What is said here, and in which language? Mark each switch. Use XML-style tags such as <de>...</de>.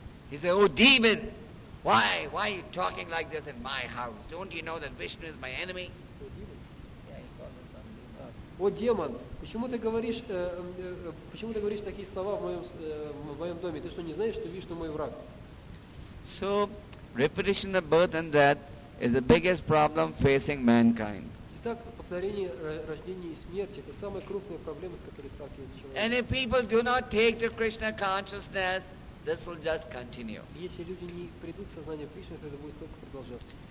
<en>He said, oh demon, why are you talking like this in my house? Don't you know that Vishnu is my enemy?</en> <ru>О, демон, почему ты говоришь такие слова в моем доме? Ты что, не знаешь, что Вишну мой враг?</ru> <en>So, repetition of birth and death is the biggest problem facing mankind.</en> <ru>Итак, повторение рождения и смерти — это самая крупная проблема, с которой сталкивается человек.</ru> <en>And if people do not take to Krishna consciousness, this will just continue.</en> <ru>Если люди не придут в сознание Кришны, это будет только продолжаться.</ru>